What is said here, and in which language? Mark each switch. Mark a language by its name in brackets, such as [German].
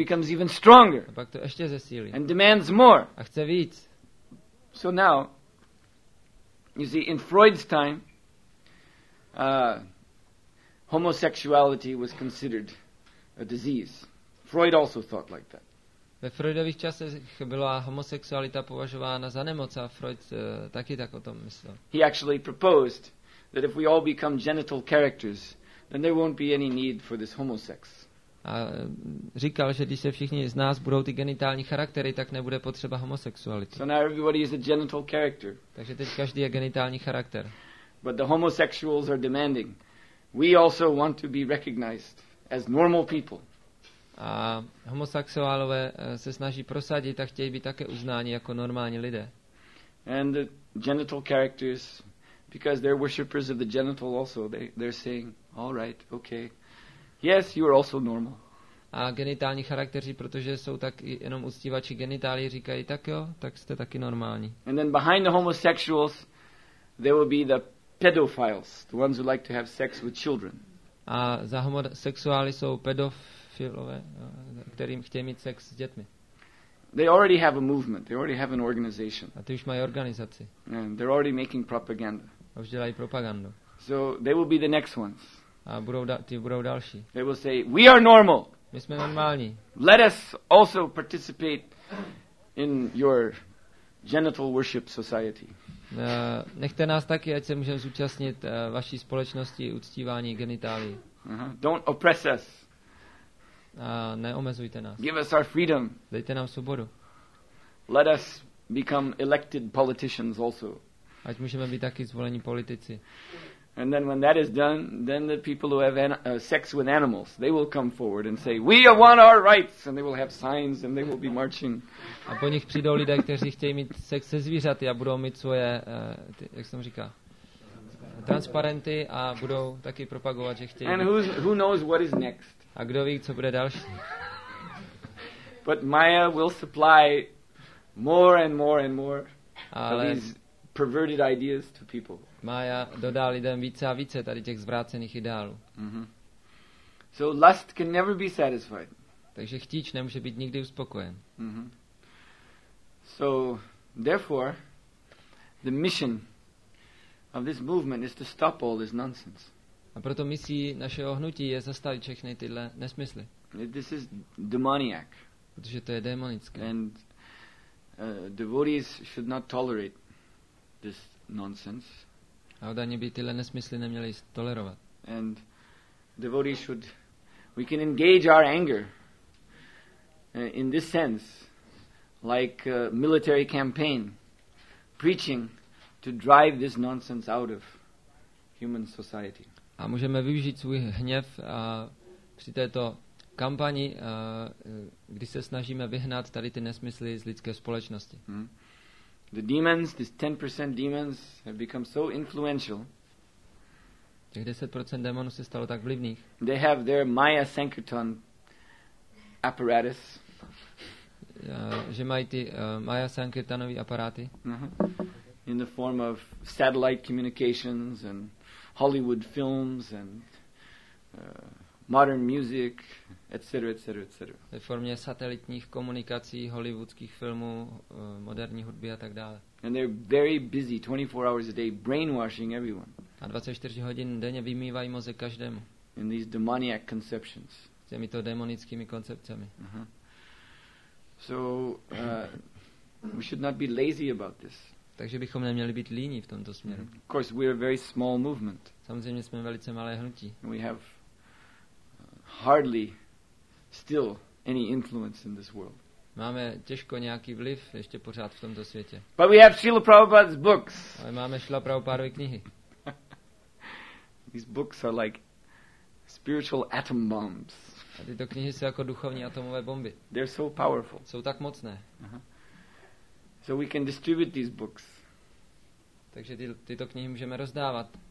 [English] It becomes even stronger. [Czech] A pak to ještě zesílí. [English] And demands more. [Czech] A chce víc. [English] So now, you see, in Freud's time, homosexuality was considered a disease. Freud also thought like that. [Czech] Ve Freudových časech byla homosexualita považována za nemoc a Freud taky tak o tom myslel. [English] He actually proposed that if we all become genital characters, then there won't be any need for this homosex. [Czech] A říkal, že když se všichni z nás budou ty genitální charaktery, tak nebude potřeba homosexuality. [English] So now everybody is a genital character. [Czech] Takže teď každý je genitální charakter. [English] But the homosexuals are demanding. We also want to be recognized as normal people. [Czech] A homosexuálové se snaží prosadit a chtějí být také uznáni jako normální lidé. [English] And the genital characters, because they're worshippers of the genital also, they're saying, all right, okay, yes, you are also normal. [Czech] A genitální charakteři, protože jsou tak jenom uctívači genitálii, říkají, tak jo, tak jste taky normální. [English] And then behind the homosexuals, there will be the pedophiles, the ones who like to have sex with children. [Czech] A za homosexuály jsou pedofilové, kterým chtějí mít sex s dětmi. [English] They already have a movement. They already have an organization. [Czech] A ty už mají organizaci. [English] And they're already making propaganda. [Czech] A už dělají propagandu. [English] So they will be the next ones. [Czech] A budou ty budou další. [English] They will say, "We are normal." [Czech] My jsme normální. [English] Let us also participate in your genital worship society. [Czech] Nechte nás taky, ať se můžeme zúčastnit vaší společnosti uctívání genitálií. [English] Don't oppress us. [Czech] Neomezujte nás. [English] Give us our freedom. [Czech] Dejte nám svobodu. [English] Let us become elected politicians also. [Czech] Ať můžeme být taky zvolení politici. [English] And then when that is done, then the people who have sex with animals, they will come forward and say, we want our rights, and they will have signs and they will be marching. [Czech] A po nich přijdou lidé, kteří chtějí mít sex se zvířaty a budou mít svoje, jak jsem říkal, transparenty a budou taky propagovat, že chtějí. [English] And who knows what is next? [Czech] A kdo ví, co bude další? [English] But Maya will supply more and more and more of these perverted ideas to people. [Czech] Maya dodá lidem více a více tady těch zvrácených ideálů. [English] So lust can never be satisfied. [Czech] Takže chtíč nemůže být nikdy uspokojen. [English] So therefore the mission of this movement is to stop all this nonsense. [Czech] A proto misí našeho hnutí je zastavit všechny tyhle nesmysly. [English] This is demoniac. [Czech] Protože to je démonické. [English] And devotees should not tolerate this nonsense. [Czech] A oddaní by tyhle nesmysly neměli tolerovat. [English] And devotees should, we can engage our anger in this sense, like a military campaign, preaching to drive this nonsense out of human society. [Czech] A můžeme využít svůj hněv při této kampani, kdy se snažíme vyhnat tady ty nesmysly z lidské společnosti. [English] The demons, these 10% demons, have become so influential. [Czech] Těch 10% démonů se stalo tak vlivných. [English] They have their Maya Sankirtan apparatus. [Czech] Že mají ty Maya Sankirtanové aparáty. [English] In the form of satellite communications and Hollywood films and modern music, etc., etc., etc. [Czech] Ve formě satelitních komunikací, hollywoodských filmů, moderní hudby a tak dále. [English] And they're very busy 24 hours a day brainwashing everyone. [Czech] A 24 hodin denně vymývají mozek každému. [English] In these demoniac conceptions. [Czech] S těmito demonickými koncepcemi. [English] So we should not be lazy about this. [Czech] Takže bychom neměli být líní v tomto směru. [English] Of course we are a very small movement. [Czech] Samozřejmě jsme velice malé hnutí. [English] We have hardly still any influence in this world. [Czech] Máme těžko nějaký vliv ještě pořád v tomto světě. [English] But we have Srila Prabhupada's books. [Czech] Ale máme Srila Prabhupádovy knihy. [English] These books are like spiritual atom bombs. [Czech] A tyto knihy jsou jako duchovní atomové bomby. [English] They're so powerful. [Czech] Jsou tak mocné. [English] So we can distribute these books. [Czech] Takže tyto knihy můžeme rozdávat.